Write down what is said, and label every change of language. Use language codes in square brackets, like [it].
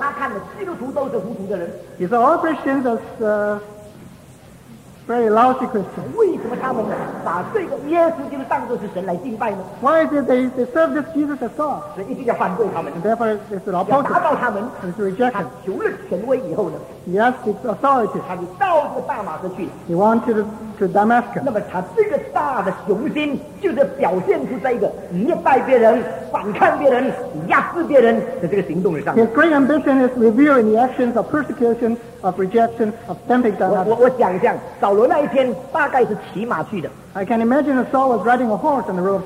[zh] 他看了基督徒都是糊涂的人, [en] he saw all Christians as very lousy Christians. [zh] 为什么他们把这个耶稣就当作是神来敬拜呢? [en] Why is it they serve this Jesus as God? [zh] 所以一定要反对他们。 [en] And therefore, it's an opposite. [zh] 要打倒他们。 [en] And to reject him. [zh] 他求了权威以后呢? [en] He asked his authority. [zh] 他就到这个大马士去。 [en] He went to Damascus. [zh] 那么他这个大的雄心就是表现出这个虐待别人、反抗别人、压制别人的这个行动上。 [en] His great ambition is revealed in the actions of persecution, of rejection, of stamping down. [zh] 我想一想，扫罗那一天大概是骑马去的。 [en] I can imagine that Saul was riding a horse on the road.